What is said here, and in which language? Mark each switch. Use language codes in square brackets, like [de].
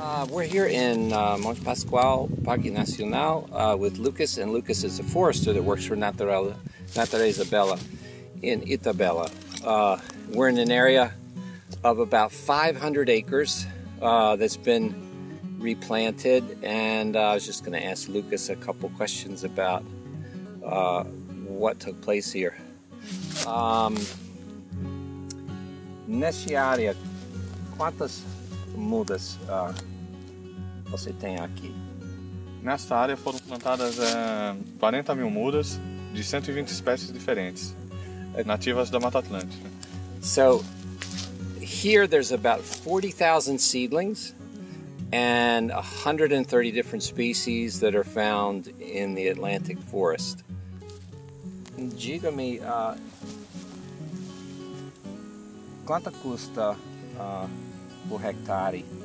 [en] We're here in Monte Pascoal Parque Nacional with Lucas, and Lucas is a forester that works for Natureza Bela in Itabela. We're in an area of about 500 acres that's been replanted, and I was just going to ask Lucas a couple questions about what took place here. [pt] Nesse área, quantas mudas você tem aqui? Nesta área foram plantadas 40 mil mudas de 120 espécies diferentes, nativas da Mata Atlântica. [en] So, here there's about 40,000 seedlings, and 130 different species that are found in the Atlantic forest. [pt] Diga-me, quanto custa por hectare?